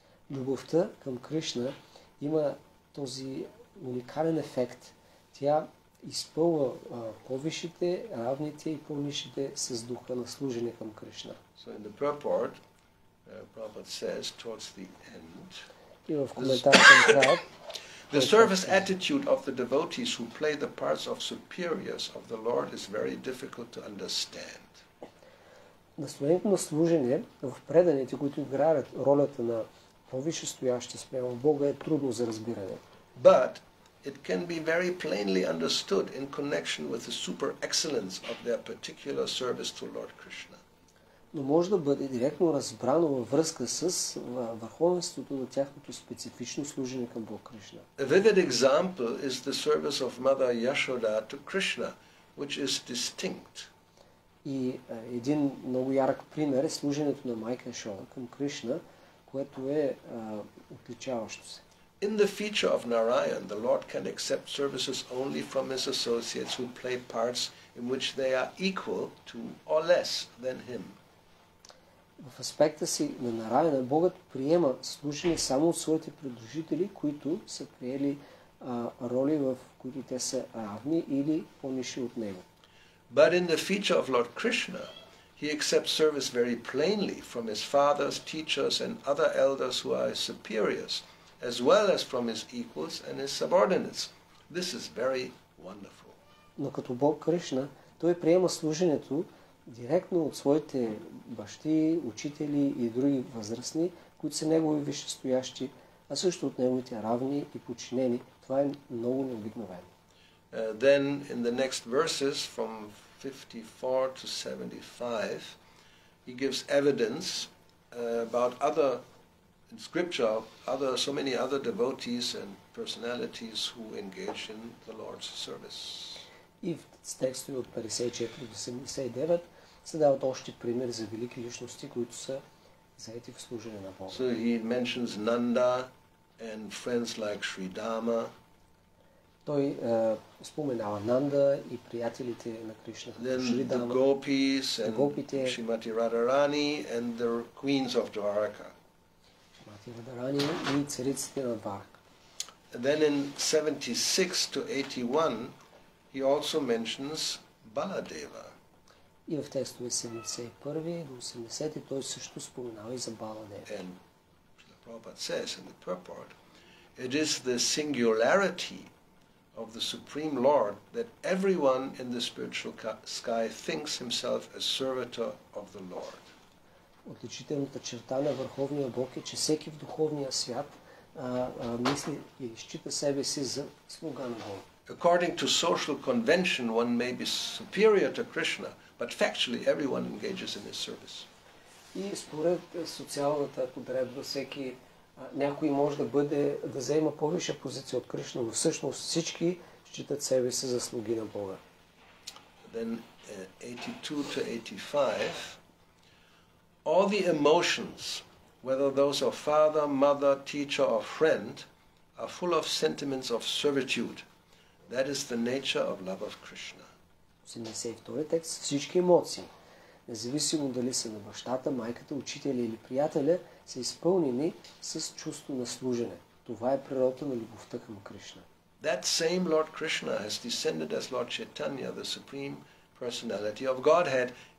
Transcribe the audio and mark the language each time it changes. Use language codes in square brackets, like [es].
[bg] Любовта към Кришна има този уникален ефект. Тя изпълва повишите, равните и по-нишите с духа на служение към Кришна. [en] So in the purport, Prabhupada says towards the end, [bg] и в коментар към крат, [en] the service attitude of the devotees who play the parts of superiors of the Lord is very difficult to understand. [bg] Настроението на служение в преданите, които играят ролята на повише стоящи спрямо Бога, е трудно за разбиране. [en] But it can be very plainly understood in connection with the super excellence of their particular service to Lord Krishna. [bg] Но може да бъде директно разбрано във връзка с върховенството на тяхното специфично служение към Бог Кришна. [en] A vivid example is the service of Mother Yashoda to Krishna, which is distinct. [bg] И един много ярък пример е служението на майка Яшода към Кришна, което е отличаващо се. [en] In the feature of Narayan, the Lord can accept services only from his associates who play parts in which they are equal to or less than him. [bg] В аспекта си на Нараяна, Богът приема служене само от своите придружители, които са приели роли, в които те са равни или по-ниши от него. [en] But in the feature of Lord Krishna, he accepts service very plainly from his fathers, teachers and other elders who are his superiors, as well as from his equals and his subordinates. This is very wonderful. [bg] Но като Бог Кришна, той приема служението директно от своите бащи, учители и други възрастни, които са негови висшестоящи, а също от неговите равни и подчинени. Това е много необикновено. [en] Then in the next verses from 54 to 75, he gives evidence about other in scripture, other so many other devotees and personalities who engage in the Lord's service. [bg] И в текстове от 54 до 79 се дават още примери за велики личности, които са заети в служение на Бога. [en] So he mentions Nanda and friends like Shridama. [bg] Той споменава Нанда и приятелите на Кришна. [en] Then the gopis and Shrimati Radharani and the queens of Dwaraka. [bg] Радарани и царицата на Дварка. [en] Then in 76 to 81 he also mentions Baladeva. [bg] И в текстове 71 до 80 той също споменава и за Баладева. [en] And Prabhupada says in the purport, it is the singularity of the Supreme Lord that everyone in the spiritual sky thinks himself a servitor of the Lord. [bg] Отличителната черта на Върховния Бог е, че всеки в духовния свят мисли и счита себе си за слуга на Бога. [en] According to social convention, one may be superior to Krishna, but factually everyone engages in his service. [bg] И според социалната подредба всеки някой може да бъде да заема повиша позиция от Кришна, но всъщност всички считат себе си за слуги на Бога. [en] Then 82 to 85 all the emotions, whether those of father, mother, teacher or friend, are full of sentiments of servitude. That is the nature of love of Krishna. [bg] 82 текст всички емоции, независимо дали са на бащата, майката, учителя или приятеля, са изпълнени с чувство на служене. Това е природата на любовта към Кришна. [en] That same Lord Krishna has descended as Lord Chaitanya, the Supreme Personality of Godhead.